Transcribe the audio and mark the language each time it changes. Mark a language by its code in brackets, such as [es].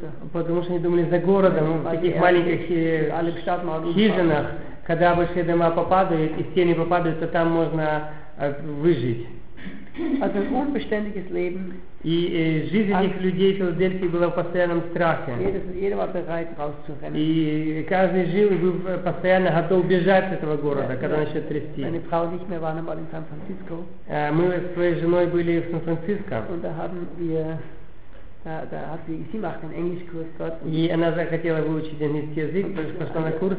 [ru] Потому что они думали, за городом, в таких маленьких хижинах, когда большие дома попадают и стены попадают, то там можно выжить. [de] Also ein unbeständiges Leben. [ru] И жизнь этих людей в Филадельфии была в постоянном страхе. [de] Jeder war bereit rauszurennen. [ru] И каждый жил и был постоянно готов бежать с этого города, когда начнет трясти. [de] Meine Frau und ich waren einmal in San Francisco. [ru] Мы с своей женой были в Сан-Франциско. [de] Und da haben wir da hat sie, sie macht einen Englischkurs dort. [ru] И она захотела выучить английский язык, пошла на курсы.